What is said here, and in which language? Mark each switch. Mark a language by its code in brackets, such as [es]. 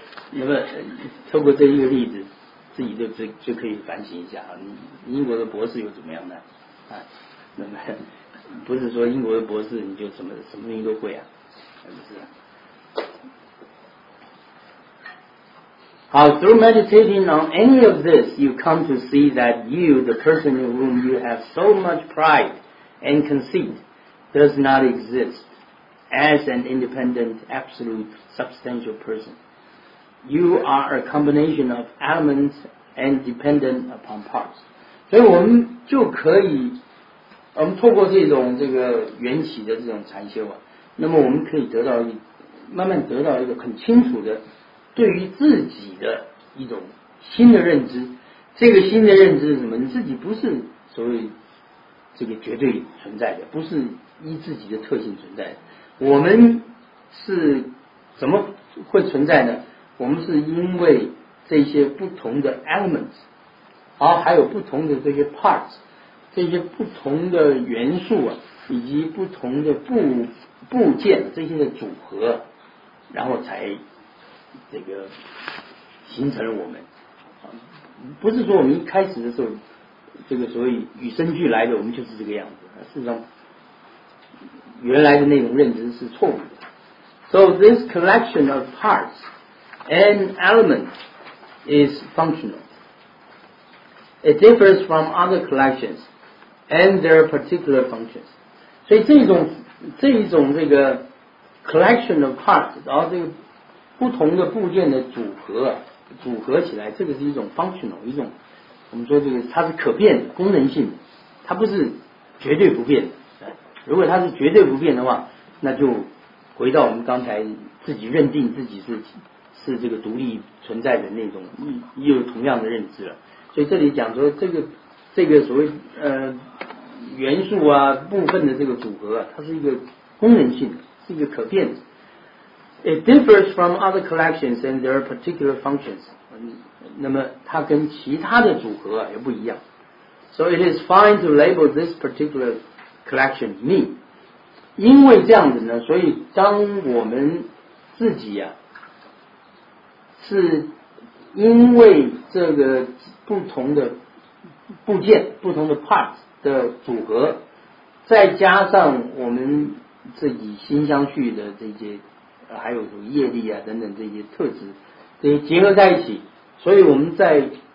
[zh] 那么透过这一个例子，自己就可以反省一下，英国的博士又怎么样呢？那么不是说英国的博士你就什么东西都会啊，不是。 [en] 好， through meditating on any of this, you come to see that you, the person in whom you have so much pride and conceit, does not exist as an independent, absolute, substantial person. You are a combination of elements and dependent upon parts. [zh] 所以我们就可以，我们透过这个缘起的这种禅修啊，那么我们可以慢慢得到一个很清楚的对于自己的一种新的认知。这个新的认知是什么？你自己不是所谓这个绝对存在的，不是依自己的特性存在的。我们是怎么会存在呢？我们是因为这些不同的 elements， 而还有不同的这些 parts， 这些不同的元素啊，以及不同的部件这些的组合，然后才这个形成了我们。不是说我们一开始的时候这个所谓与生俱来的我们就是这个样子，事实上原来的那种认知是错误的。 [en] So this collection of parts and elements is functional. It differs from other collections and their particular functions. [zh] 所以这一种这个 [en] collection of parts [zh] 然后这个不同的部件的组合起来，这个是一种 functional， 一种我们说这个它是可变的功能性的，它不是绝对不变的。如果它是绝对不变的话，那就回到我们刚才自己认定自己是这个独立存在的那种又同样的认知了。所以这里讲说这个所谓元素啊部分的这个组合，它是一个功能性的，是一个可变的。 [en] It differs from other collections and their particular functions. [zh] 那么它跟其他的组合也不一样。 [en] So it is fine to label this particular collection me. [zh] 因为这样子呢，所以当我们自己啊，是因为这个不同的部件、不同的 parts 的组合，再加上我们自己心相续的这些还有什么业力啊等等这些特质，这些结合在一起，所以我们在